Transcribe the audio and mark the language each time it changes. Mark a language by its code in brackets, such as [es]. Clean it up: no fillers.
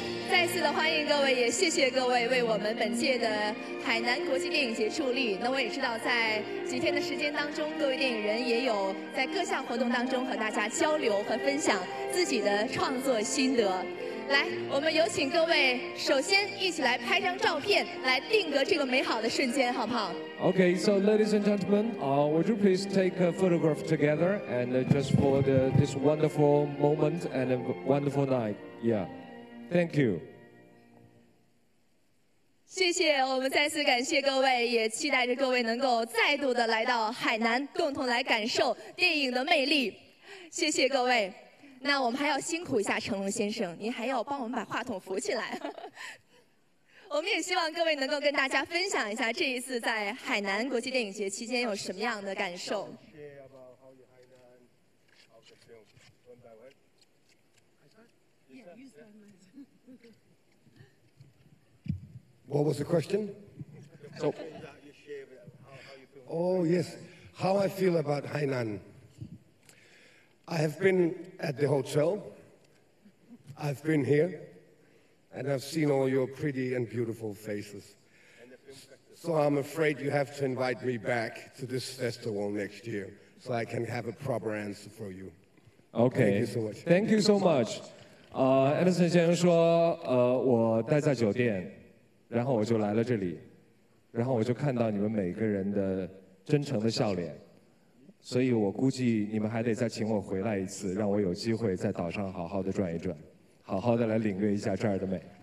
[zh] 再次的欢迎各位，也谢谢各位为我们本届的海南国际电影节助力。那我也知道在几天的时间当中，各位电影人也有在各项活动当中和大家交流和分享自己的创作心得。来，我们有请各位首先一起来拍张照片，来定格这个美好的瞬间，好不好？ [en] Okay, so ladies and gentlemen, would you please take a photograph together and just for this wonderful moment and a wonderful night. Yeah. Thank you. [zh] 谢谢，我们再次感谢各位，也期待着各位能够再度的来到海南，共同来感受电影的魅力。谢谢各位。那我们还要辛苦一下成龙先生，您还要帮我们把话筒扶起来。我们也希望各位能够跟大家分享一下这一次在海南国际电影节期间有什么样的感受。 [en] What was the question? So, oh yes, how I feel about Hainan. I have been at the hotel, I've been here, and I've seen all your pretty and beautiful faces. So I'm afraid you have to invite me back to this festival next year so I can have a proper answer for you. Okay, thank you so much. Thank you so much. [zh] Anderson 先生说，我待在酒店，然后我就来了这里，然后我就看到你们每个人的真诚的笑脸，所以我估计你们还得再请我回来一次，让我有机会在岛上好好的转一转，好好的来领略一下这儿的美。